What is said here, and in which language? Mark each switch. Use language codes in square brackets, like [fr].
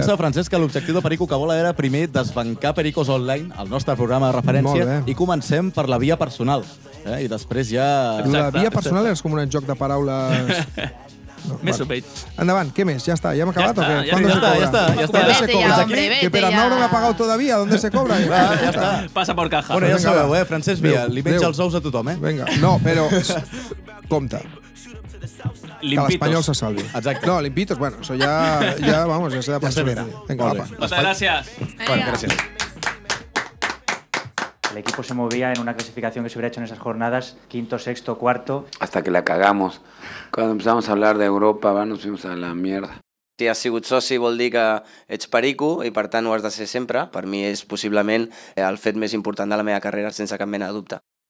[ca] Pensa, Francesc, que l'objectiu de Perico que vola era primer desbancar Pericos Online, el nostre programa de referència, i comencem per la via personal. I després ja... La via personal és com un joc de paraules... Més o menys. Endavant, què més? Ja està, ja hem acabat o què? Ja està, ja està. [es] ¿Dónde se cobra? [ca] Que per al Mauro no ha pagat [es] todavía, ¿dónde se cobra? [ca] Ja està. Passa [es] por caja. [ca] Bueno, ja sabeu, Francesc, mira, li menja els ous a tothom, eh? Vinga, no, però... Compte. Que l'Espanyol se salvi. Exacte. No, l'Impitos, bueno, això ja... Ja, vamos, ja s'ha de pensar. Vinga, apa. Moltes gràcies. Bueno, gràcies. [es] El equipo se movía en una clasificación que se hubiera hecho en esas jornadas, quinto, sexto, cuarto. Hasta que la cagamos. Cuando empezamos a hablar de Europa, nos fuimos a la mierda. [ca] Si has sigut soci vol dir que ets perico i per tant ho has de ser sempre. Per mi és possiblement el fet més important de la meva carrera, sense cap mena de dubte.